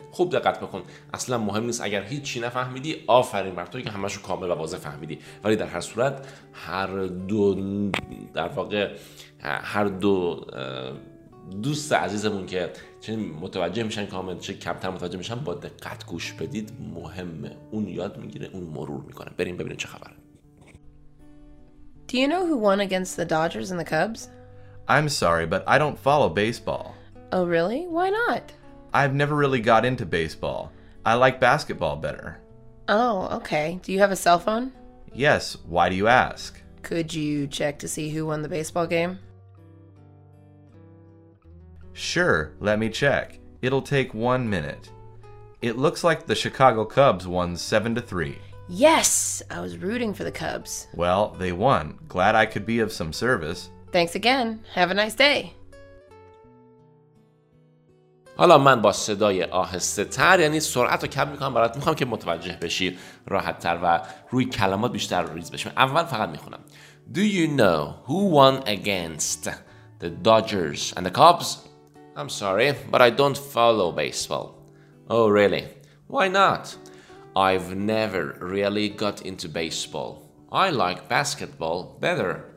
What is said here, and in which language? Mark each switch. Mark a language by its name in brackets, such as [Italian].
[Persian] خوب دقت بکن، اصلا مهم نیست اگر هیچی نفهمیدی، آفرین بر توی که همشو کامل و واضح فهمیدی، ولی در هر صورت هر دو دوست عزیزمون که چه متوجه میشن کامل چه کمتر متوجه میشن، با دقت گوش بدید، مهمه. اون یاد میگیره، اون مرور میکنه. بریم ببینیم چه خبره. [English] Do you know who won against the Dodgers and the Cubs? I'm sorry, but I don't follow baseball. Oh really? Why not? I've never really got into baseball. I like basketball better. Oh, okay. Do you have a cell phone? Yes. Why do you ask? Could you check to see who won the baseball game? Sure. Let me check. It'll take 1 minute. It looks like the Chicago Cubs won 7-3. Yes! I was rooting for the Cubs. Well, they won. Glad I could be of some service. Thanks again. Have a nice day. [Persian] حالا من با صدای آهسته تر، یعنی سرعت رو کم میکنم برات، میخوام که متوجه بشی راحت تر و روی کلمات بیشتر ریز بشم. اول فقط میخونم. [English] Do you know who won against the Dodgers and the Cubs? I'm sorry, but I don't follow baseball. Oh really? Why not? I've never really got into baseball. I like basketball better.